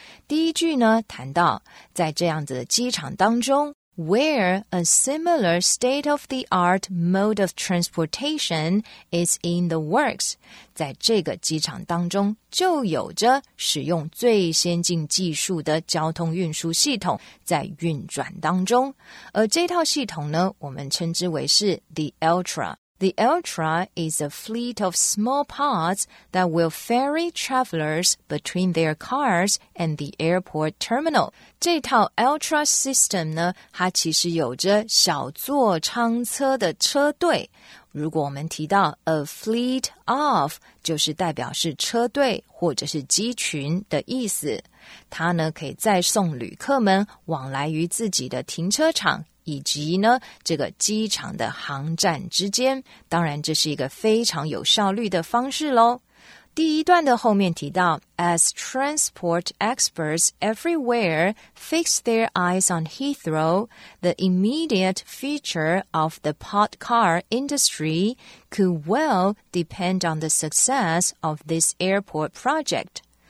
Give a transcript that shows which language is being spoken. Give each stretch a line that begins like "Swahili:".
Chinese: 第一句呢谈到在这样子的机场当中
English: Where a similar state-of-the-art mode of transportation is in the works.
Chinese: 在这个机场当中就有着使用最先进技术的交通运输系统在运转当中。而这套系统呢我们称之为是 the Ultra。
English: The Ultra is a fleet of small pods that will ferry travelers between their cars and the airport terminal.
Chinese: 这套 Ultra system 呢，它其实有着小座舱车的车队。如果我们提到 a fleet of, 就是代表是车队或者是机群的意思。它呢，可以载送旅客们往来于自己的停车场。以及呢这个机场的航站之间，当然这是一个非常有效率的方式咯。第一段的后面提到
English: As transport experts everywhere fix their eyes on Heathrow, the immediate future of the pod car industry could well depend on the success of this airport project.